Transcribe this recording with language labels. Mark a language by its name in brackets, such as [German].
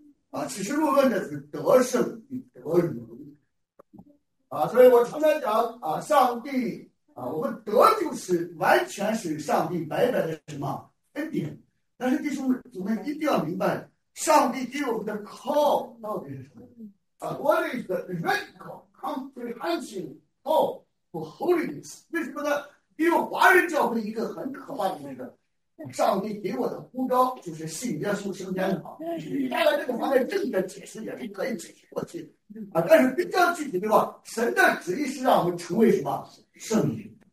[Chinese] 啊，启示录论的是得胜与得荣。啊，所以我常常讲啊，上帝啊，我们得就是完全是上帝白白的什么恩典。但是弟兄们，我们一定要明白。上帝给我们的 call 到底是什么？ [English] What is the radical comprehensive call for holiness？ [Chinese] 为什么呢？因为华人教会一个很可怕的那个，上帝给我的呼召就是信耶稣升天堂。当然，这个方面正确解释也是可以解释过去的啊。但是比较具体的话，神的旨意是让我们成为什么圣洁？